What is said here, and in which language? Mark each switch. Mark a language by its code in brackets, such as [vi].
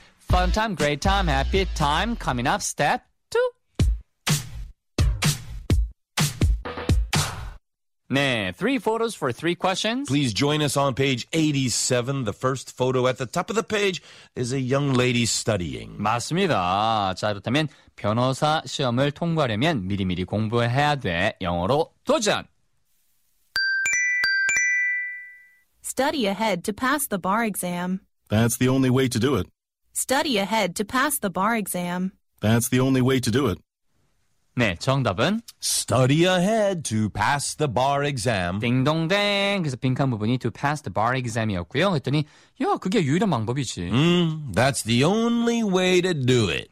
[en] Fun time, great time, happy time. Coming up, step two. 네, three photos for three questions. Please join us on page 87. The first photo at the top of the page is a young lady studying. [ko] 맞습니다. 자, 그렇다면 변호사 시험을 통과하려면 미리미리 공부해야 돼. 영어로 도전! [en] Study ahead to pass the bar exam. That's the only way to do it. Study ahead to pass the bar exam. That's the only way to do it. [ko] 네, 정답은 [en] Study ahead to pass the bar exam. [ko] 딩동댕. 그래서 빈칸 부분이 [en] to pass the bar exam [ko] 이었고요. 했더니 야, 그게 유일한 방법이지. [en] That's the only way to do it.